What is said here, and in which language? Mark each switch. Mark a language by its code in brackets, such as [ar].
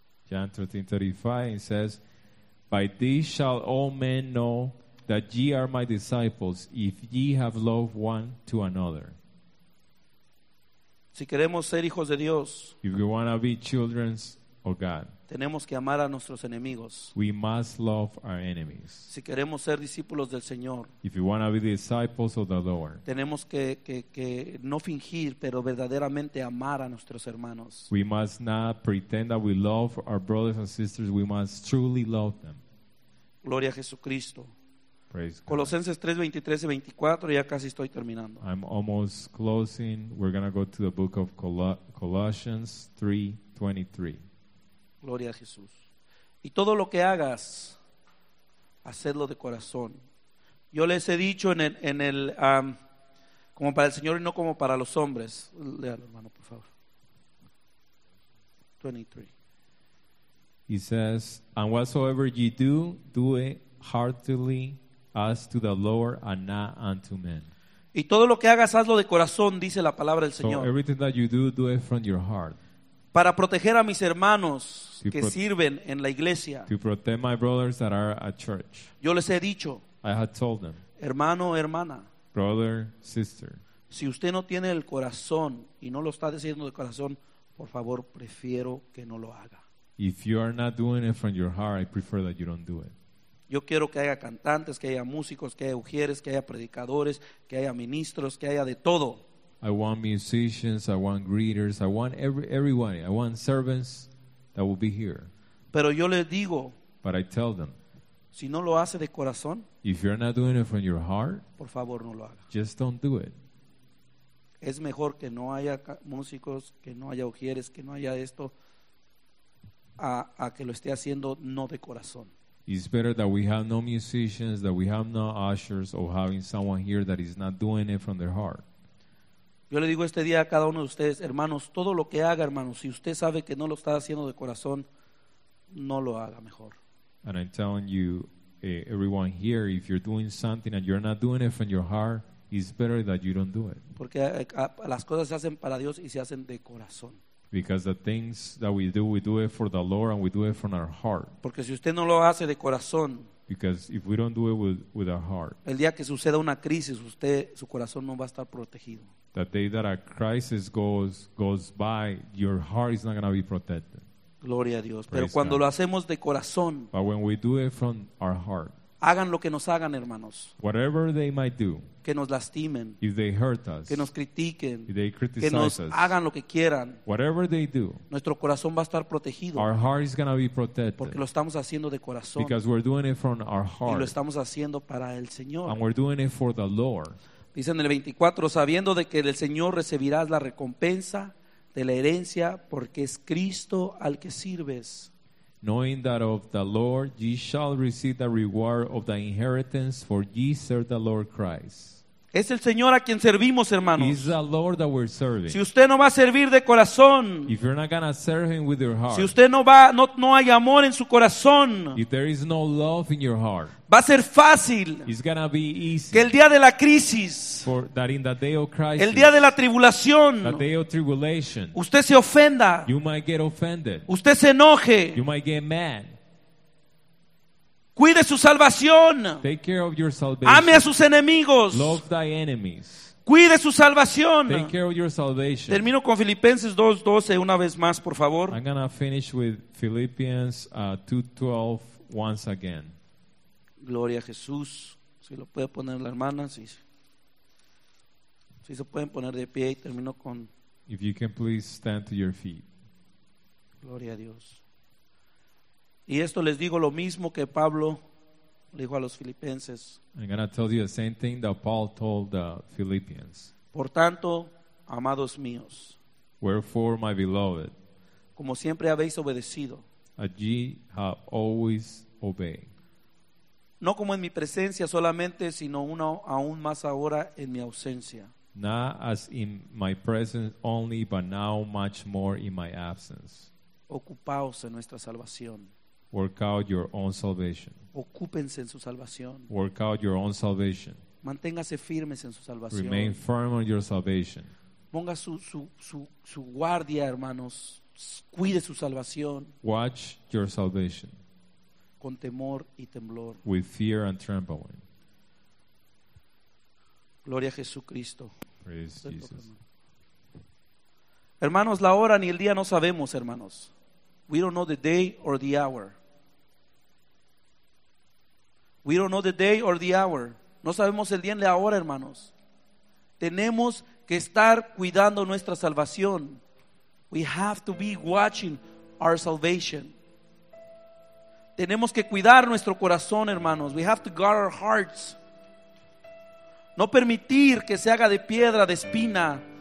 [en] John 13:35, it says, "By this shall all men know that ye are my disciples, if ye have love one to another." [es] Si queremos ser hijos de Dios, [en] if we want to be children of God, [es] tenemos que amar a nuestros enemigos. [en] We must love our enemies. [es] Si queremos ser discípulos del Señor, [en] if we want to be disciples of the Lord, [es] tenemos que no fingir, pero verdaderamente amar a nuestros hermanos. [en] We must not pretend that we love our brothers and sisters. We must truly love them. [es] Gloria a Jesucristo. [en] Praise [es] Colosenses 3:23-24, ya casi estoy terminando. [en] I'm almost closing. We're going to go to the book of Colossians 3:23. [es] Gloria a Jesús. Y todo lo que hagas, hacedlo de corazón. Yo les he dicho en el como para el Señor y no como para los hombres. Léalo, hermano, por favor. 23. [en] He says, "And whatsoever ye do it heartily, as to the Lord and not unto men." [es] Y todo lo que hagas, hazlo de corazón, dice la palabra del Señor. [en] So everything that you do it from your heart. [es] Para proteger a mis hermanos que sirven en la iglesia. [en] To protect my brothers that are at church. [es] Yo les he dicho. [en] I had told them. [es] Hermano, hermana. [en] Brother, sister. [es] Si usted no tiene el corazón y no lo está diciendo de corazón, por favor, prefiero que no lo haga. [en] If you are not doing it from your heart, I prefer that you don't do it. [es] Yo quiero que haya cantantes, que haya músicos, que haya ujieres, que haya predicadores, que haya ministros, que haya de todo. [en] I want musicians, I want greeters, I want everybody, I want servants that will be here. [es] Pero yo les digo, [en] but I tell them, [es] si no lo hace de corazón, [en] if you're not doing it from your heart, [es] por favor no lo haga. [en] Just don't do it. [es] Es mejor que no haya músicos, que no haya ujieres, que no haya esto, a que lo esté haciendo no de corazón. [en] It's better that we have no musicians, that we have no ushers, or having someone here that is not doing it from their heart. [es] Yo le digo este día a cada uno de ustedes, hermanos, todo lo que haga, hermanos, si usted sabe que no lo está haciendo de corazón, no lo haga mejor. [en] And I'm telling you, everyone here, if you're doing something and you're not doing it from your heart, it's better that you don't do it. [es] Porque las cosas se hacen para Dios y se hacen de corazón. [en] Because the things that we do it for the Lord and we do it from our heart. [es] Porque si usted no lo hace de corazón, [en] because if we don't do it with our heart, [es] el día que suceda una crisis, usted, su corazón no va a estar protegido. [en] The day that a crisis goes by, your heart is not going to be protected. [es] Gloria a Dios. [en] Praise [es] Pero cuando [en] God. [es] Lo hacemos de corazón, [en] but when we do it from our heart, [es] hagan lo que nos hagan, hermanos. [en] Whatever they might do. [es] Que nos lastimen. [en] If they hurt us. [es] Que nos critiquen. [en] If they criticize us. [es] Que nos hagan lo que quieran. [en] Whatever they do. [es] Nuestro corazón va a estar protegido. [en] Our heart is going to be protected. [es] Porque lo estamos haciendo de corazón. [en] Because we're doing it from our heart. [es] Y lo estamos haciendo para el Señor. [en] And we're doing it for the Lord. [es] Dice en el 24, sabiendo de que del Señor recibirás la recompensa de la herencia, porque es Cristo al que sirves. [en] Knowing that of the Lord ye shall receive the reward of the inheritance, for ye serve the Lord Christ. [es] Es el Señor a quien servimos, hermanos. [en] It's the Lord that we're serving. [es] Si usted no va a servir de corazón, [en] if you're not going to serve him with your heart, [es] si usted no va, no hay amor en su corazón, [en] if there is no love in your heart, [es] va a ser fácil, [en] it's going to be easy, [es] que el día de la crisis, [en] for that in the day of crisis, [es] el día de la tribulación, [en] the day of tribulation, [es] usted se ofenda, [en] you might get offended, [es] usted se enoje, [en] you might get mad. [es] Cuide su salvación. [en] Take care of your salvation. [es] Ame a sus enemigos. [en] Love thy enemies. [es] Cuide su salvación. [en] Take care of your salvation. [es] Termino con Filipenses 2:12 una vez más, por favor. [en] I'm going to finish with Philippians 2:12 once again. [es] Gloria a Jesús. Si lo puede poner la hermana, sí. Si se pueden poner de pie, termino con. [en] If you can please stand to your feet. [es] Gloria a Dios. Y esto les digo lo mismo que Pablo le dijo a los filipenses. [en] I'm going to tell you the same thing that Paul told the Philippians. [es] Por tanto, amados míos. [en] Wherefore, my beloved. [es] Como siempre habéis obedecido. [en] As ye have always obeyed. [es] No como en mi presencia solamente, sino uno aún más ahora en mi ausencia. [en] Not as in my presence only, but now much more in my absence. [es] Ocupaos en nuestra salvación. [en] Work out your own salvation. [es] Ocúpense en su salvación. [en] Work out your own salvation. [es] Manténgase firmes en su salvación. [en] Remain firm on your salvation. [es] Ponga su guardia, hermanos, cuide su salvación. [en] Watch your salvation. [es] Con temor y temblor. [en] With fear and trembling. [es] Gloria a Jesucristo. [en] Praise Jesus. [es] Hermanos, la hora ni el día no sabemos, hermanos. [en] We don't know the day or the hour. We don't know the day or the hour. [es] No sabemos el día ni la hora, hermanos. Tenemos que estar cuidando nuestra salvación. [en] We have to be watching our salvation. [es] Tenemos que cuidar nuestro corazón, hermanos. [en] We have to guard our hearts. [es] No permitir que se haga de piedra, de espina.